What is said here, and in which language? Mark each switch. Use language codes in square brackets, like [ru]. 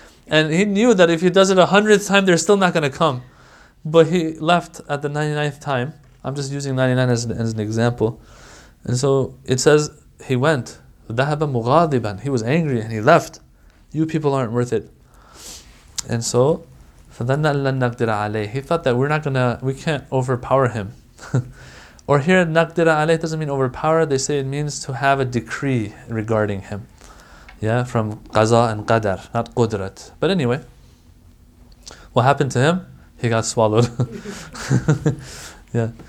[en] And he knew that if he does it 100th time, they're still not going to come. But he left at the 99th time. I'm just using 99 as an example. And so it says he went. [ar] ذهب مغاضبا. [en] He was angry and he left. You people aren't worth it. And so [ar] فَذَنَّا لَن نَقْدِرَ عَلَيْهِ. [en] He thought that we can't overpower him. Or here [ar] نَقْدِرَ عَلَيْهِ [en] doesn't mean overpower. They say it means to have a decree regarding him. Yeah, from قَزَى and قَدَر, not قُدْرَت. But anyway, what happened to him? He got swallowed. Yeah.